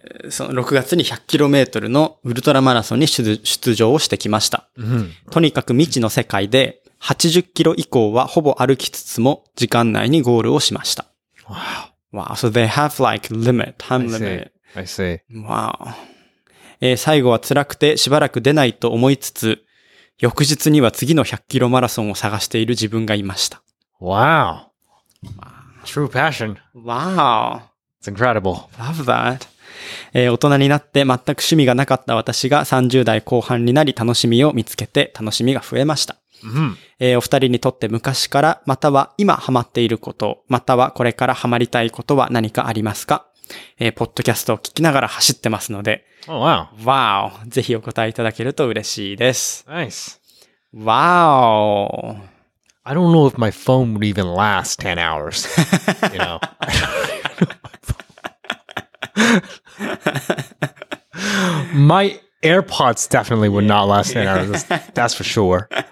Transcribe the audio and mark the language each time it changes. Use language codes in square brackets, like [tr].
[ja] その6月に 100km のウルトラマラソンに出場をしてきました。 Mm-hmm. とにかく未知の世界で 80km 以降はほぼ歩きつつも時間内にゴールをしました。 [en] Wow. Wow. So they have like limit, time limit. I see. Wow. [ja] 最後は辛くてしばらく出ないと思いつつ、翌日には次の 100km マラソンを探している自分がいました。 [en] Wow. True passion. Wow. It's incredible. Love that. [ja] 大人になって全く趣味がなかった私が30代後半になり楽しみを見つけて楽しみが増えました。 Mm-hmm. お二人にとって昔からまたは今ハマっていること、またはこれからハマりたいことは何かありますか？ポッドキャストを聞きながら走ってますので。 [en] Oh, wow. Wow. [ja] ぜひお答えいただけると嬉しいです。 [en] Nice. Wow. I don't know if my phone would even last 10 hours. You know? My AirPods definitely would not last 10 hours. That's for sure.